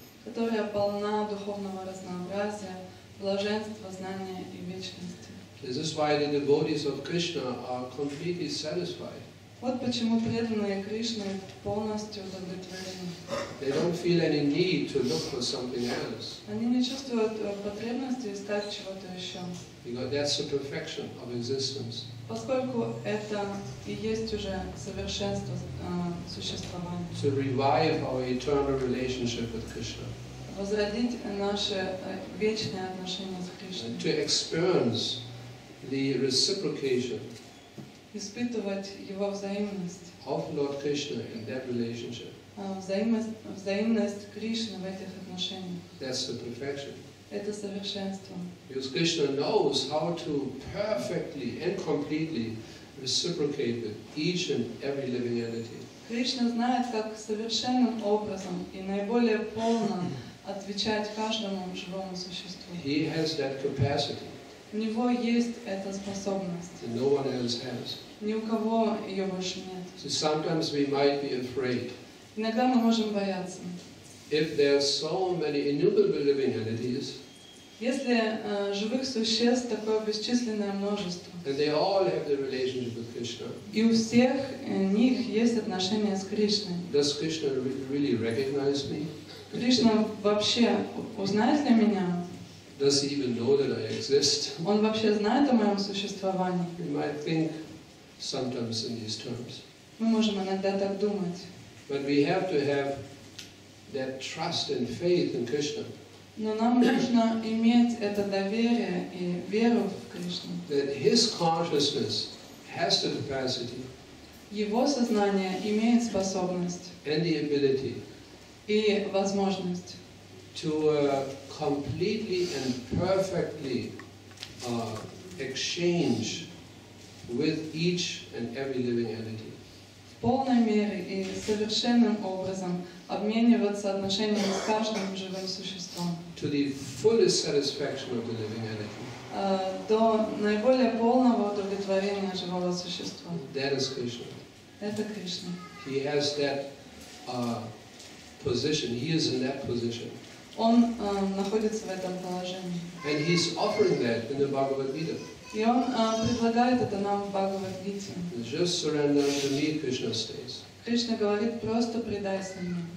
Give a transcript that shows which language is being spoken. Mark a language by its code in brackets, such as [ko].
[ru] Которая полна духовного разнообразия, блаженства, знания и вечности. [en] This is why the devotees of Krishna are completely satisfied. [ru] Вот почему преданные Кришны полностью удовлетворены. [en] They don't feel any need to look for something else. [ru] Они не чувствуют потребности искать чего-то еще. [en] Because that's the perfection of existence. [ru] Поскольку это и есть уже совершенство существования. [en] To revive our eternal relationship with Krishna. [ru] Возродить наши вечные отношения с Кришной. [en] To experience the reciprocation. [ru] Испытывать его взаимность. [en] Of Lord Krishna in that relationship. [ru] Взаимность Кришны в этих отношениях. [en] That's the perfection. [ru] Это совершенство. [en] Because Krishna knows how to perfectly and completely reciprocate with each and every living entity. [ru] Кришна знает, как совершенным образом и наиболее полно отвечать каждому живому существу. [en] He has that capacity. [ru] У него есть эта способность. [en] No one else has. [ru] Ни у кого ее больше нет. [en] So sometimes we might be afraid. [ru] Иногда мы можем бояться. [en] If there are so many innumerable living entities, [ru] Если живых существ такое бесчисленное множество, [en] and they all have the relationship with Krishna, [ru] и у всех них есть отношения с Кришной, [en] does Krishna really recognize me? [ru] Кришна вообще узнает ли меня? [en] Does he even know that I exist? [ru] Он вообще знает о моем существовании? [en] We might think sometimes in these terms. [ru] Мы можем иногда так думать. [en] But we have to have that trust and faith in Krishna. [ru] Но нам нужно иметь это доверие и веру в Кришну. [en] That his consciousness has the capacity. [ru] Его сознание имеет способность. [en] And the ability. [ru] И возможность. [en] To completely and perfectly exchange with each and every living entity. [ru] В полной мере и совершенным образом обмениваться отношениями с каждым живым существом. [en] To the fullest satisfaction of the living entity. [ru] До наиболее полного удовлетворения живого существа. [en] That is Krishna. [ru] Это Кришна. [en] He has that position. He is in that position. [ru] Он находится в этом положении. [en] And he's offering that in the Bhagavad Gita. [ru] И он предлагает это нам в Бхагавад Гите. [en] Just surrender to me, Krishna says. [ru] Кришна говорит, просто предайся мне.